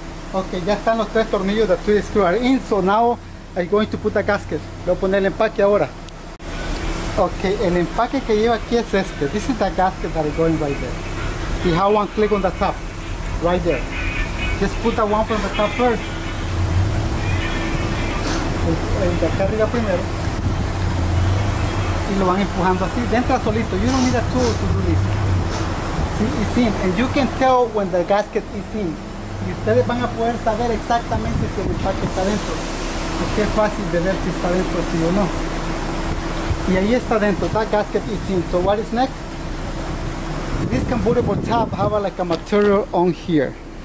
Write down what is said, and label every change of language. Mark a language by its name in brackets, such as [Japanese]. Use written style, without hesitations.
[English] Okay, [Spanish] ya están los tres tornillos de [English] 3D screw are in, so now I'm going to put a gasket. [Spanish] Voy a poner el empaque ahora. Okay, el empaque que lleva aquí es este. [English] This is the gasket that is going right there. You have one click on the top, right there. Just put the one from the top first. [Spanish] El de acá arriba primero. Y lo van empujando así, entra solito. [English] You don't need a tool to do this. See, it's in. And you can tell when the gasket is in. [Spanish] Y ustedes van a poder saber exactamente si el empaque está dentro. Porque es fácil de ver si está dentro, sí o no. Y ahí está dentro, [English] that gasket is in. So what is next? This convertible top have like a material on here.